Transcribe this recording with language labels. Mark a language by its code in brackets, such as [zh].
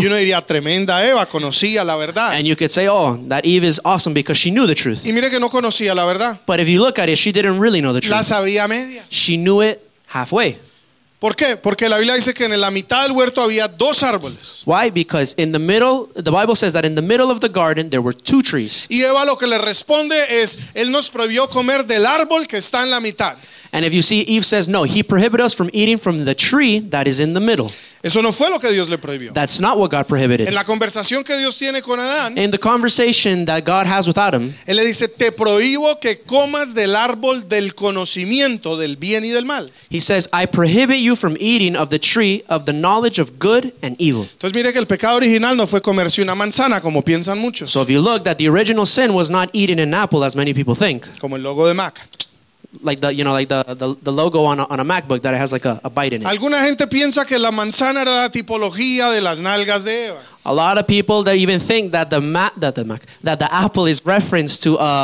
[es] Y uno diría, tremenda Eva, conocía la verdad. [en] And you could say, oh, that Eve is awesome because she knew the truth. [es] Y mire que no conocía la verdad. [en] But if you look at it, she didn't really know the truth. [es] La sabía media. [en] She knew it halfway. [es] ¿Por qué? Porque la Biblia dice que en la mitad del huerto había dos árboles. [en] Why? Because in the middle, the Bible says that in the middle of the garden there were two trees. [es] Y Eva lo que le responde es, él nos prohibió comer del árbol que está en la mitad. [en] And if you see, Eve says, no, he prohibited us from eating from the tree that is in the middle. [es] Eso no fue lo que Dios le prohibió. [en] That's not what God prohibited. [es] En la conversación que Dios tiene con Adán, [en] in the conversation that God has with Adam, [es] él le dice, te prohíbo que comas del árbol del conocimiento del bien y del mal. [en] He says, I prohibit you from eating of the tree of the knowledge of good and evil. [es] Entonces mire que el pecado original no fue comerse una manzana como piensan muchos. [en] So if you look, that the original sin was not eating an apple as many people think. [es] Como el logo de Mac. [en] Like the, you know, like the logo on a MacBook that it has like a bite in it. [es] Alguna gente piensa que la manzana era la tipología de las nalgas de Eva. [en] A lot of people that even think that the apple is reference to